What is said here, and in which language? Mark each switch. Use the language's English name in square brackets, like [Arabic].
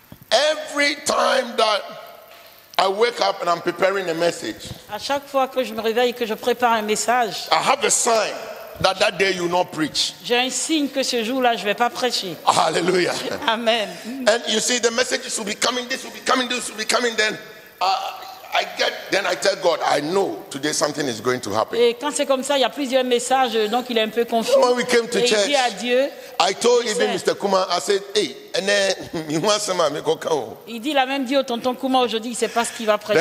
[English] Every time that I wake up and I'm preparing a message, [French] à chaque fois que je me réveille et que je prépare un message, [English] I have a sign that that day you not preach. [French] J'ai un signe que ce jour-là je vais pas prêcher. [English] Hallelujah. Amen. And you see, the messages will be coming. This will be coming. This will be coming. Then I get. Then I tell God, I know today something is going to happen. [French] Et quand c'est comme ça, il y a plusieurs messages, donc il est un peu confus. [English] When we came to church, [French] il dit à Dieu, [English] I told even Mr. Kuma, I said, hey, and then you want some amigo kao. [French] Il dit la même chose au tonton Kuma aujourd'hui, il sait pas ce qu'il va prêcher.